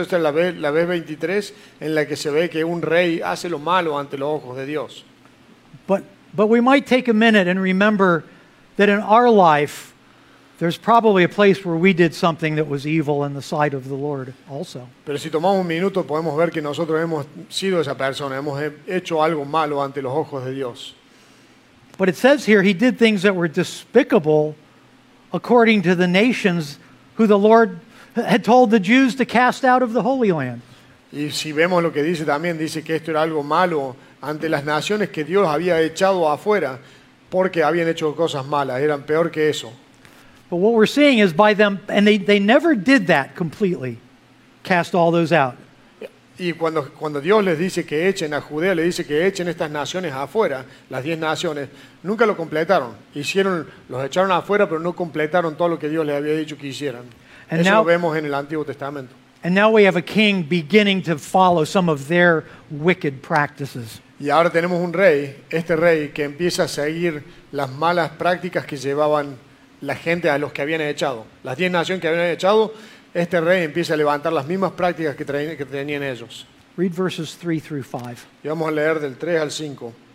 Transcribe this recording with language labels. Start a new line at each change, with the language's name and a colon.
Spanish: Esta es la vez 23 en la que se ve que un rey hace lo malo ante los ojos de Dios.
English: But we might take a minute and remember that in our life, there's probably a place where we did something that was evil in the sight of the Lord also.
Spanish: Pero si tomamos un minuto, podemos ver que nosotros hemos sido esa persona, hemos hecho algo malo ante los ojos de Dios.
English: But it says here, he did things that were despicable according to the nations who the Lord had told the Jews to cast out of the Holy Land.
Spanish: Y si vemos lo que dice también, dice que esto era algo malo ante las naciones que Dios había echado afuera, porque habían hecho cosas malas, eran peor que eso.
English: But what we're seeing is by them, and they never did that completely, cast all those out.
Spanish: Y cuando Dios les dice que echen a Judea, le dice que echen estas naciones afuera, las 10 naciones, nunca lo completaron. Los echaron afuera, pero no completaron todo lo que Dios les había dicho que hicieran.
English: And
Spanish: eso
English: now,
Spanish: lo vemos en el Antiguo Testamento.
English: And now we have a king beginning to follow some of their wicked practices.
Spanish: Y ahora tenemos un rey, este rey, que empieza a seguir las malas prácticas que llevaban la gente a los que habían echado. Las 10 naciones que habían echado, este rey empieza a levantar las mismas prácticas que tenían ellos.
English: Read verses 3 through 5.
Spanish: Y vamos a leer del 3 al 5.